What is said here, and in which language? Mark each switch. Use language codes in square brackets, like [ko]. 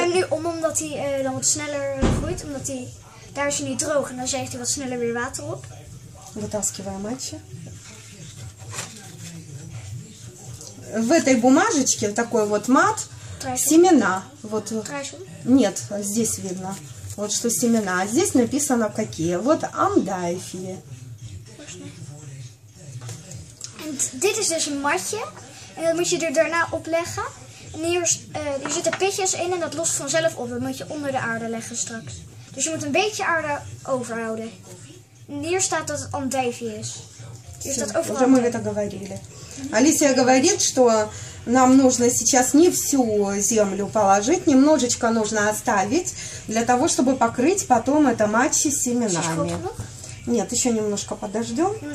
[nl] Omdat hij dan wat sneller groeit, omdat hij daar is hij niet droog en dan zeegt hij wat sneller weer water op. [ru] Вытаскиваем матча. В этой бумажечке такой вот мат, семена. Вот. Нет, здесь видно. Вот что семена. Здесь написано какие. Вот амдайфии. [en] And this is [nl] dus een matje. En dat moet je er daarna opleggen. En hier zitten pitjes in en dat lost vanzelf op. Dat moet je onder de aarde leggen straks. Dus je moet een beetje aarde overhouden. Hier staat dat het амдайфия is. [ru] Уже мы это говорили. Алисия говорит, что нам нужно сейчас не всю землю положить, немножечко нужно оставить для того, чтобы покрыть потом это матчи семенами. Нет, еще немножко подождем.